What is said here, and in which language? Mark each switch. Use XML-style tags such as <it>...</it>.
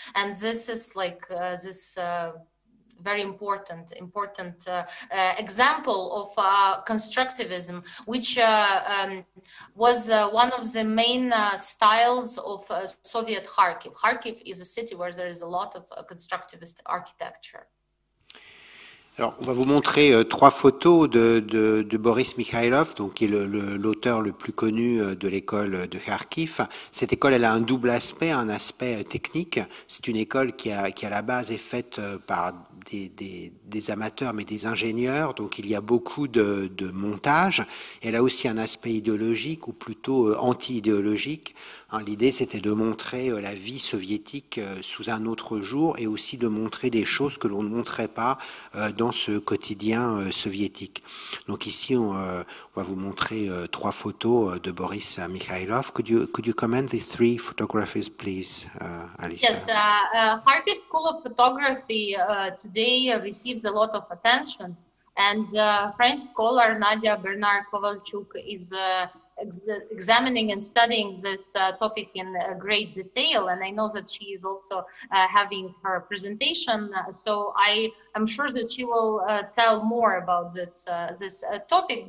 <en>And this is like this very important example of constructivism, which was one of the main styles of Soviet Kharkiv. Kharkiv is a city where there is a lot of constructivist architecture.</en> <fr>Alors, on va vous montrer trois photos de Boris Mikhailov, donc qui est l'auteur le plus connu de l'école de Kharkiv. Cette école, elle a un double aspect, un aspect technique. C'est une école qui à la base est faite par des amateurs, mais des ingénieurs. Donc, il y a beaucoup de montage. Elle a aussi un aspect idéologique ou plutôt anti-idéologique. L'idée, c'était de montrer la vie soviétique sous un autre jour et aussi de montrer des choses que l'on ne montrait pas dans ce quotidien soviétique. Donc ici, on va vous montrer trois photos de Boris Mikhailov.</fr> <en>Could you comment these three photographs, please, Alisa? Yes, Kharkiv School of Photography today receives a lot of attention. And French scholar Nadia Bernard-Kovalchuk is examining and studying this topic in great detail, and I know that she is also having her presentation, so I am sure that she will tell more about this topic.</en>